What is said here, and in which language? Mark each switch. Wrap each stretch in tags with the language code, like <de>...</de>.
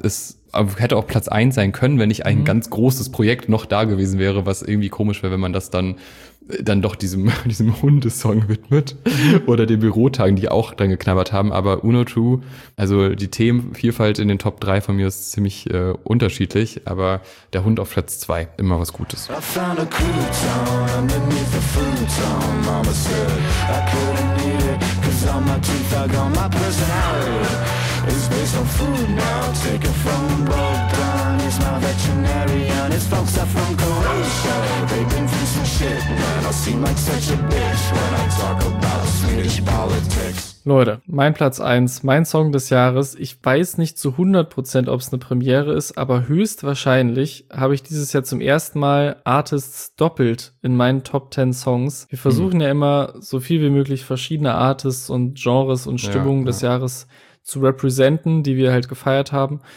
<de>Es hätte auch Platz 1 sein können, wenn nicht ein ganz großes Projekt noch da gewesen wäre, was irgendwie komisch wäre, wenn man das dann doch diesem Hundesong widmet oder den Bürotagen, die auch dran geknabbert haben. Aber Uno 2, also die Themenvielfalt in den Top 3 von mir ist ziemlich unterschiedlich, aber der Hund auf Platz 2, immer was Gutes.</de> <en>I found a cool town underneath the food town. Mama said I couldn't eat it, cause all my teeth are gone. My personality is based on food now. Take it from broke down. He's my veterinarian. His folks are from Croatia. They've been through some shit. Man, I seem like such a bitch when I talk about Swedish politics.</en> <de>Leute, mein Platz 1, mein Song des Jahres. Ich weiß nicht zu 100%, ob es eine Premiere ist, aber höchstwahrscheinlich habe ich dieses Jahr zum ersten Mal Artists doppelt in meinen Top 10 Songs. Wir versuchen ja immer, so viel wie möglich verschiedene Artists und Genres und Stimmungen des Jahres zu representen, die wir halt gefeiert haben.</de>